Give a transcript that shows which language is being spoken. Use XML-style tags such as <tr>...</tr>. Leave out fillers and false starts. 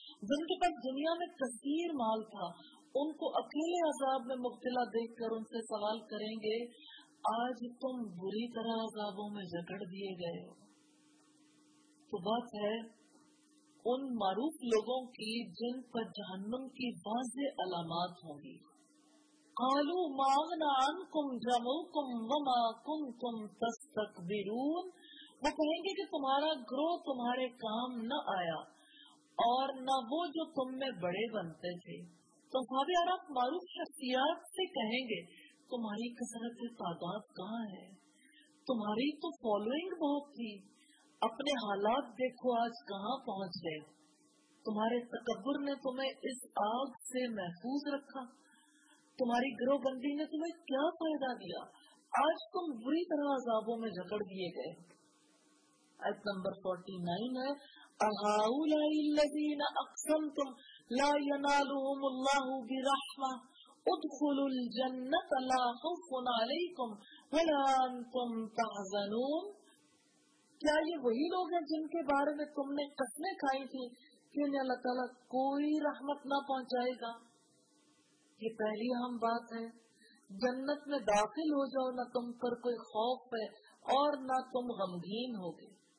<ur>جن کے پاس دنیا میں کثیر مال تھا ان کو اکیلے عذاب میں مبتلا دیکھ کر ان سے سوال کریں گے آج تم بری طرح عذابوں میں جکڑ دیے گئے ہو. تو بات ہے ان معروف لوگوں کی جن پر جہنم کی واضح علامات ہوں گی.</ur> <ar>قالوا ما اغنى عنكم جمعكم وما كنتم تستكبرون.</ar> <ur>وہ کہیں گے کہ تمہارا گروہ تمہارے کام نہ آیا اور نہ وہ جو تم میں بڑے بنتے تھے. تو آپ معروف شخصیات سے کہیں گے تمہاری کثرت تعداد کہاں ہے, تمہاری تو فالوئنگ بہت تھی, اپنے حالات دیکھو آج کہاں پہنچ گئے, تمہارے تکبر نے تمہیں اس آگ سے محفوظ رکھا, تمہاری گروہ بندی نے تمہیں کیا فائدہ دیا, آج تم بری طرح عذابوں میں جکڑ دیے گئے. آیت نمبر 49 ہے</ur> <ar>اقسمتم لا ينالهم الله برحمة ادخلوا الجنة لا خوف عليكم ولا انتم تحزنون.</ar> <ur>کیا یہ وہی لوگ ہیں جن کے بارے میں تم نے قسمیں کھائی تھی کہ انہیں اللہ تعالیٰ کوئی رحمت نہ پہنچائے گا. یہ پہلی اہم بات ہے. جنت میں داخل ہو جاؤ, نہ تم پر کوئی خوف ہے اور نہ تم غمگین ہوگے.</ur>